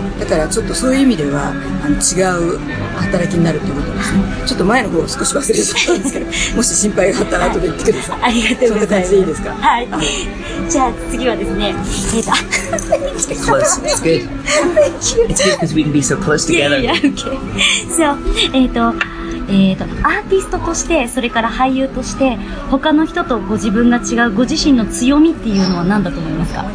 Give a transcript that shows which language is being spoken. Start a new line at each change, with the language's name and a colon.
Japanese: だからちょっとそういう意味では違う働きになるってことですね。ちょっと前の方を少し忘れてたんですけど、もし心配があったら後で言ってください。ありがとうございます。そんな感じでいいですか。はい、じゃあ次はですね、
English: Close. It's good. It's good because we can be so close together. Yeah, yeah, okay.
Japanese: So, アーティストとして、それから俳優として、他の人とご自分が違うご自身の強みっていうのは何だと思いますか。